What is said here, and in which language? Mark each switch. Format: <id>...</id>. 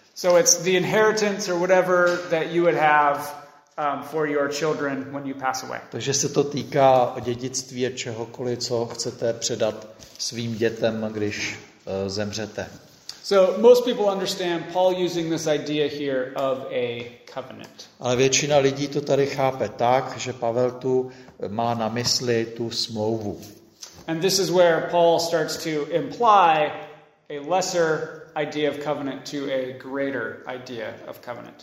<en>So it's the inheritance or whatever that you would have for your children when you pass away.</en> <cs>Takže se to týká dědictví a čehokoliv, co chcete předat svým dětem, když zemřete.</cs> <en>So most people understand Paul using this idea here of a covenant.</en> <cs>Ale většina lidí to tady chápe tak, že Pavel tu má na mysli tu smlouvu.</cs> <en>And this is where Paul starts to imply a lesser idea of covenant to a greater idea of covenant.</en>